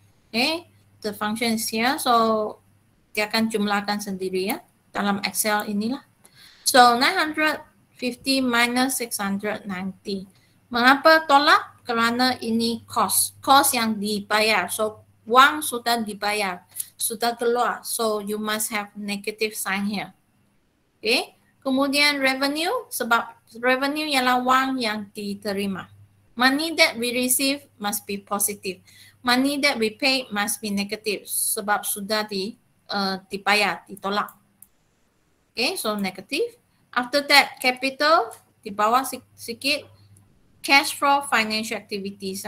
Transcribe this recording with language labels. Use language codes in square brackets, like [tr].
[en] Okay, the function is here, so [ms] dia akan jumlahkan sendiri ya, dalam Excel inilah. [en] So 950 minus 690. [ms] Mengapa tolak? Kerana ini cost yang dibayar. So, wang sudah dibayar, sudah keluar. [en] So, you must have negative sign here. Okay. [ms] Kemudian revenue, sebab revenue ialah wang yang diterima. [en] Money that we receive must be positive. Money that we pay must be negative. [ms] Sebab sudah dibayar, ditolak. [en] Okay, so negative. After that, capital [ms] di bawah sikit. [en] Cash flow financial activities.